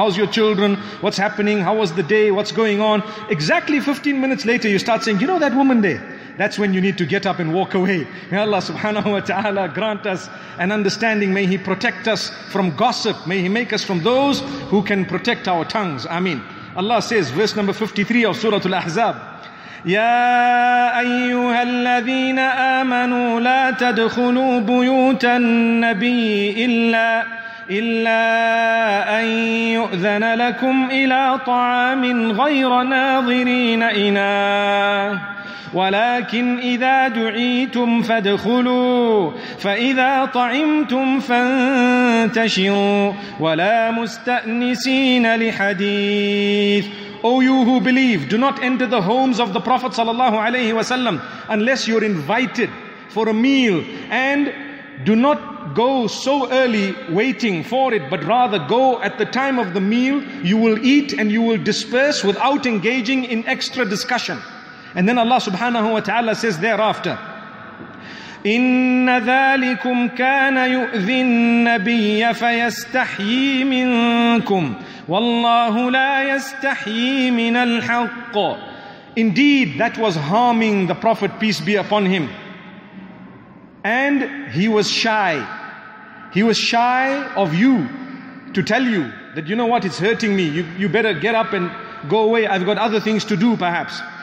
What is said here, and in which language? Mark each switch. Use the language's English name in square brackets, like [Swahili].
[English] How's your children? What's happening? How was the day? What's going on? Exactly 15 minutes later, you start saying, you know that woman there? That's when you need to get up and walk away. May Allah subhanahu wa ta'ala grant us an understanding. May He protect us from gossip. May He make us from those who can protect our tongues. Ameen. Allah says, verse number 53 of Surah Al-Ahzab, [Arabic] يَا أَيُّهَا الَّذِينَ آمَنُوا لَا تَدْخُلُوا بُيُوتَ النَّبِيِّ إِلَّا أَنْ يُؤْذَنَ لَكُمْ إِلَى طَعَامٍ غَيْرَ نَاظِرِينَ إِنَاهُ ولكن إذا دعيتم فادخلوا فإذا طعمتم فانتشروا ولا مستأنسين لحديث. [English] O you who believe, do not enter the homes of the Prophet sallallahu alayhi wa sallam unless you're invited for a meal, and do not go so early waiting for it, but rather go at the time of the meal. You will eat and you will disperse without engaging in extra discussion. And then Allah subhanahu wa ta'ala says thereafter, [Arabic] إن ذلكم كان يؤذي النبي فيستحيي منكم والله لا يستحيي من الحق. [English] Indeed, that was harming the Prophet, peace be upon him. And he was shy. He was shy of you to tell you that, you know what, it's hurting me. You better get up and go away. I've got other things to do perhaps.